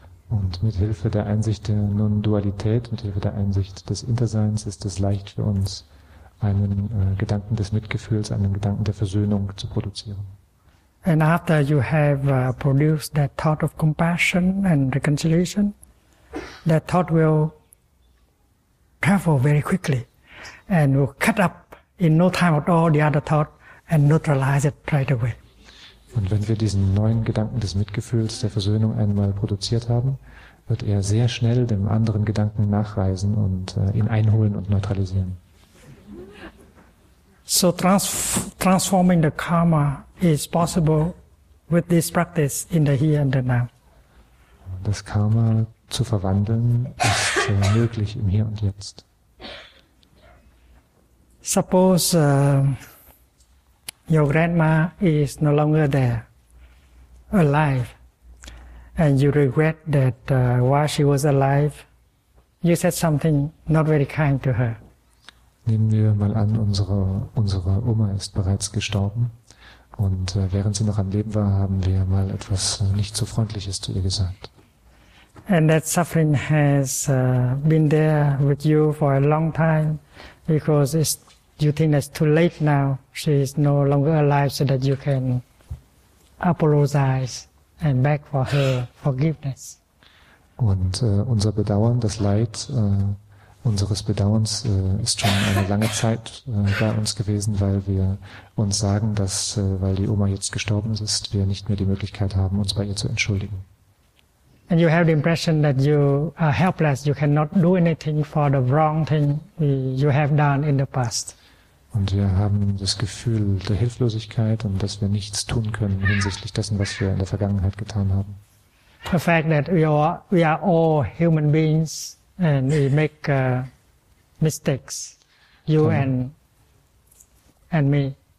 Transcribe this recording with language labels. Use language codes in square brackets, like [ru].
[de] Und mit Hilfe der Einsicht der Non-Dualität, mit Hilfe der Einsicht des Interseins, ist es leicht für uns, einen Gedanken des Mitgefühls, einen Gedanken der Versöhnung zu produzieren. [en] And after you have produced that thought of compassion and reconciliation, that thought will travel very quickly and will cut up in no time at all the other thought and neutralize it right away. [de] Und wenn wir diesen neuen Gedanken des Mitgefühls, der Versöhnung einmal produziert haben, wird er sehr schnell dem anderen Gedanken nachreisen und ihn einholen und neutralisieren. [en] So transforming the karma is possible with this practice in the here and the now. [de] Das Karma zu verwandeln ist möglich im Hier und Jetzt. [en] Suppose your grandma is no longer there, alive, and you regret that while she was alive, you said something not very kind to her. [de] Nehmen wir mal an, unsere Oma ist bereits gestorben und während sie noch am Leben war, haben wir mal etwas nicht so Freundliches zu ihr gesagt. [en] And that suffering has been there with you for a long time because you think it's too late now. She is no longer alive so that you can apologize and beg for her forgiveness. [de] Und unser Bedauern, das Leid, unseres Bedauerns ist schon eine lange Zeit bei uns gewesen, weil wir uns sagen, dass, weil die Oma jetzt gestorben ist, wir nicht mehr die Möglichkeit haben, uns bei ihr zu entschuldigen. [en] And you have the impression that you are helpless, you cannot do anything for the wrong thing you have done in the past. [de] Und wir haben das Gefühl der Hilflosigkeit und dass wir nichts tun können hinsichtlich dessen, was wir in der Vergangenheit getan haben. [en] The fact that we are all human beings and we make mistakes, you and me.